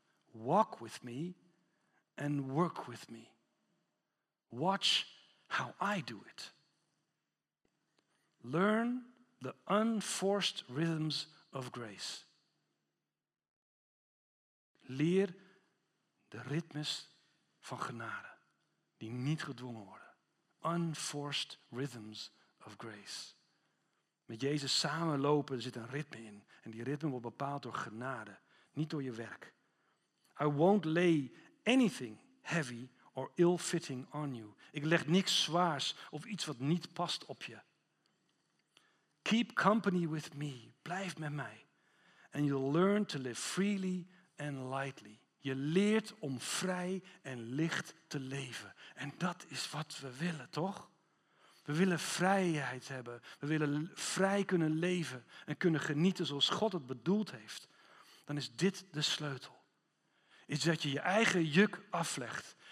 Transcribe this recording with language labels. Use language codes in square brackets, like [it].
[en] Walk with me and work with me. Watch how I do it. Learn the unforced rhythms of grace. [nl] Leer de ritmes van genade die niet gedwongen worden. [en] Unforced rhythms of grace. [nl] Met Jezus samenlopen, er zit een ritme in. En die ritme wordt bepaald door genade, niet door je werk. [en] I won't lay anything heavy or ill-fitting on you. [nl] Ik leg niks zwaars of iets wat niet past op je. [en] Keep company with me. Blijf met mij. And you'll learn to live freely and lightly. [nl] Je leert om vrij en licht te leven. En dat is wat we willen, toch? We willen vrijheid hebben. We willen vrij kunnen leven en kunnen genieten zoals God het bedoeld heeft. Dan is dit de sleutel. Is dat je je eigen juk aflegt.